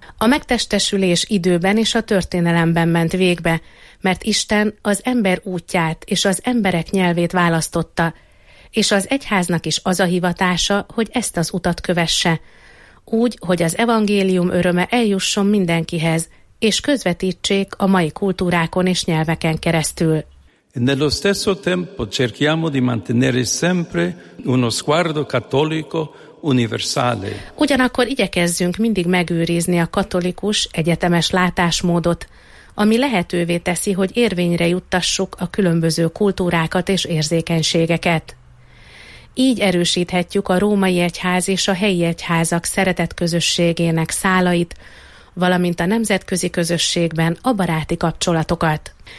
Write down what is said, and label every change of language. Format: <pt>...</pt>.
<hu>A megtestesülés időben és a történelemben ment végbe, mert Isten az ember útját és az emberek nyelvét választotta, és az egyháznak is az a hivatása, hogy ezt az utat kövesse, úgy, hogy az evangélium öröme eljusson mindenkihez, és közvetítsék a mai kultúrákon és nyelveken keresztül.</hu> <it>Nello stesso tempo cerchiamo di mantenere sempre uno sguardo cattolico universale.</it> <hu>Ugyanakkor igyekezzünk mindig megőrizni a katolikus, egyetemes látásmódot, ami lehetővé teszi, hogy érvényre juttassuk a különböző kultúrákat és érzékenységeket. Így erősíthetjük a római egyház és a helyi egyházak szeretett közösségének szálait, valamint a nemzetközi közösségben a baráti kapcsolatokat.</hu>